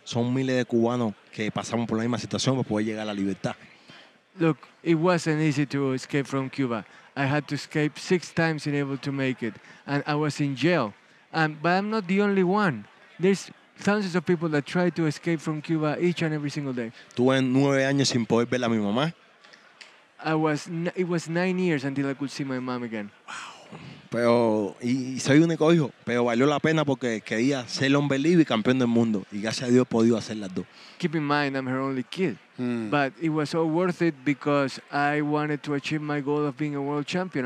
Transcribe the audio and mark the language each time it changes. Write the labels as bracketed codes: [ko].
[es] Son miles de cubanos que pasamos por la misma situación para poder llegar a la libertad. [en] Look, it wasn't easy to escape from Cuba. I had to escape 6 times and able to make it. And I was in jail. But I'm not the only one. There's thousands of people that try to escape from Cuba each and every single day. [es] Tuve 9 años sin poder ver a mi mamá. [en] It was 9 years until I could see my mom again. Wow. [es] Pero y soy único hijo, pero valió la pena porque quería ser el hombre libre y campeón del mundo. Y gracias a Dios he podido hacer las dos. [en] Keep in mind, I'm her only kid. But it was all worth it because I wanted to achieve my goal of being a world champion.